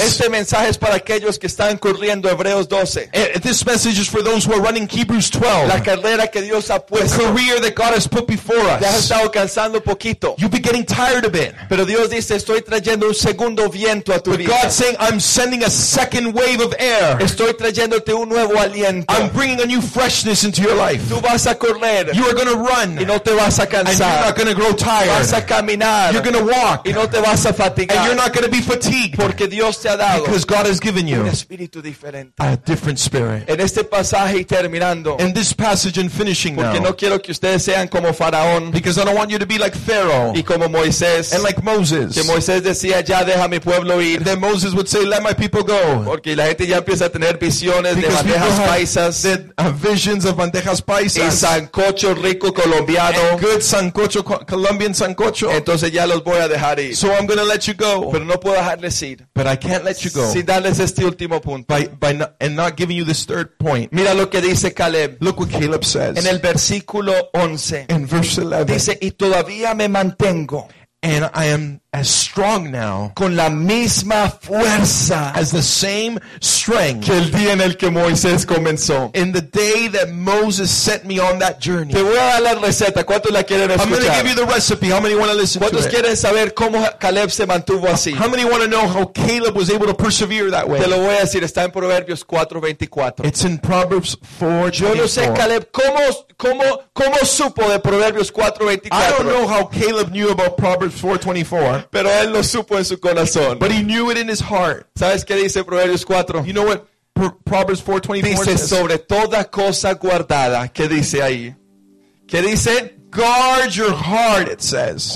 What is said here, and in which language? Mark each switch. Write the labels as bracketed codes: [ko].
[es] Este mensaje es para aquellos que están corriendo Hebreos 12. [en] This message is for those who are running Hebrews 12. [es] La carrera que Dios ha puesto. [en] The career that God has put before us. [es] Ya has estado cansando poquito. [en] You'll be getting tired a bit. [es] Pero Dios dice, estoy trayendo un segundo viento a tu [en] But [es] vida. [en] God saying, I'm sending a second wave of air. [es] Estoy trayéndote un nuevo aliento. [en] I'm bringing a new freshness into your life. [es] Tú vas a correr. [en] You are going to run. [es] Y no te vas a cansar. [en] And you're not going to grow tired. [es] Vas a caminar. [en] You're going to walk [es] y no te vas a fatigar, [en] and you're not going to be fatigued [es] porque Dios te ha dado [en] because God has given you [es] un espíritu diferente. [en] A different spirit. [es] En este pasaje y terminando, [en] in this passage and finishing [es] porque [en] now [es] no quiero que ustedes sean como Faraón, [en] because I don't want you to be like Pharaoh [es] y como Moisés, [en] and like Moses [es] que Moisés decía, ya deja mi pueblo ir. [en] Then Moses would say, let my people go [es] porque la gente ya empieza a tener visiones [en] because [es] de bandejas paisas, [en] visions of bandejas paisas [es] y sancocho rico colombiano, [en] and good sancocho, Colombian sancocho. [es] Entonces ya los voy a dejar ir. [en] So I'm going to let you go. [es] Pero no puedo dejarles ir. [en] But I can't let you go. [es] Sin darles este último punto. [en] And not giving you this third point. [es] Mira lo que dice Caleb. [en] Look what Caleb says. [es] En el versículo 11. [en] In verse 11. [es] Dice, y todavía me mantengo. [en] And I am as strong now. [es] Con la misma fuerza. [en] As the same strength. [es] Que el día en el que Moisés comenzó. [en] In the day that Moses set me on that journey. [es] Te voy a dar la receta. ¿Cuántos la quieren escuchar? [en] I'm going to give you the recipe. How many want to listen to it? [es] ¿Cuántos quieren saber cómo Caleb se mantuvo así? [en] How many want to know how Caleb was able to persevere that way? [es] Te lo voy a decir. Está en Proverbios 4:24. [en] It's in Proverbs 4:24. [es] Yo no sé, Caleb, ¿cómo supo de Proverbios 4:24? [en] I don't know how Caleb knew about Proverbs 4:24. [es] Pero él lo supo en su corazón. [en] But he knew it in his heart. [es] ¿Sabes qué dice Proverbios 4? [en] You know what Proverbs 4:24 [es] dice [en] says? [es] Sobre toda cosa guardada. ¿Qué dice ahí? ¿Qué dice? [en] Guard your heart, it says.